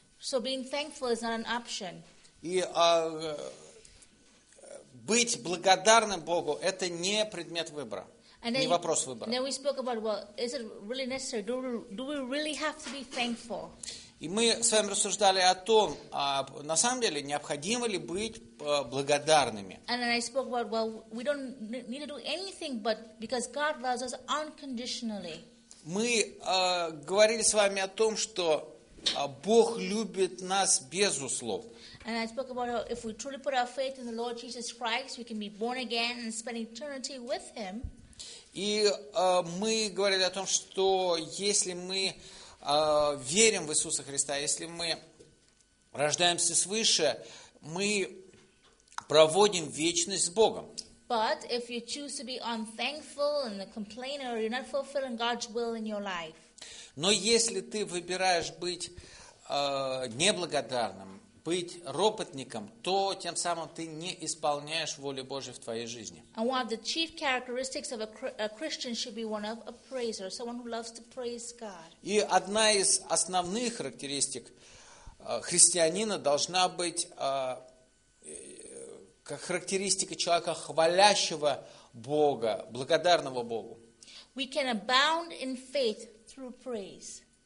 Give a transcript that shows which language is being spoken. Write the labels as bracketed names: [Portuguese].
[English] So being thankful is not an option. [Russian] И быть благодарным Богу – это не предмет выбора, [English] and then, [Russian] не вопрос выбора. [English] Then we spoke about, well, is it really necessary? Do we really have to be thankful? [Russian] И мы с вами рассуждали о том, на самом деле, необходимо ли быть благодарными. [English] And then I spoke about, well, we don't need to do anything, but because God loves us unconditionally. [Russian] Мы говорили с вами о том, что Бог любит нас без услов. [English] And I spoke about how if we truly put our faith in the Lord Jesus Christ, we can be born again and spend eternity with Him. [Russian] И мы говорили о том, что если мы верим в Иисуса Христа, если мы рождаемся свыше, мы проводим вечность с Богом. [English] But if you choose to be unthankful and a complainer, you're not fulfilling God's will in your life. [Russian] Но если ты выбираешь быть неблагодарным, быть ропотником, то тем самым ты не исполняешь волю Божию в твоей жизни. [English] And one of the chief characteristics of a Christian should be one of a praiser, someone who loves to praise God. [Russian] И одна из основных характеристик христианина должна быть как характеристика человека, хвалящего Бога, благодарного Богу. [English] We can abound in faith through praise.